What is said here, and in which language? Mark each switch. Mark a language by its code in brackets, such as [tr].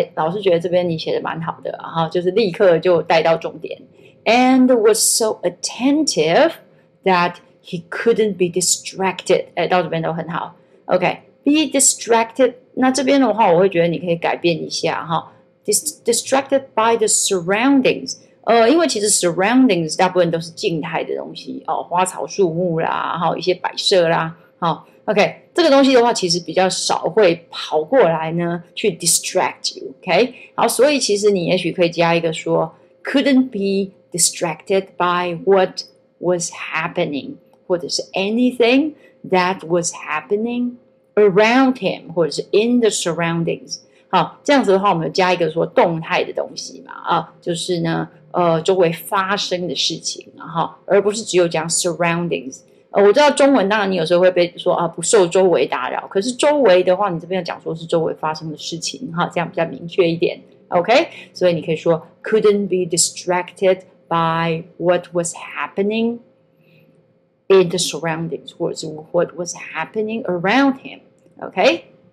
[zh] 老师觉得这边你写的蛮好的，就是立刻就带到重点。 [en] And was so attentive that he couldn't be distracted. [zh] 到这边都很好。OK, [en] be distracted. [zh] 那这边的话我会觉得你可以改变一下。 [en] Distracted by the surroundings. [zh] 因为其实 surroundings 大部分都是静态的东西。花草树木啦，一些摆设啦。 OK, 这个东西的话其实比较少会跑过来呢去 [en] distract you, [zh] OK? 好，所以其实你也许可以加一个说 [en] couldn't be distracted by what was happening, [zh] 或者是 [en] anything that was happening around him, 或者是 in the surroundings。 [zh] 好，这样子的话我们加一个说动态的东西嘛，就是呢周围发生的事情，而不是只有讲 surroundings。我知道中文当然你有时候会被说不受周围打扰，可是周围的话你这边要讲说是周围发生的事情，哈，这样比较明确一点， OK? 所以你可以说 [en] couldn't be distracted by what was happening in the surroundings, [zh] 或者是 [en] what was happening around him, OK?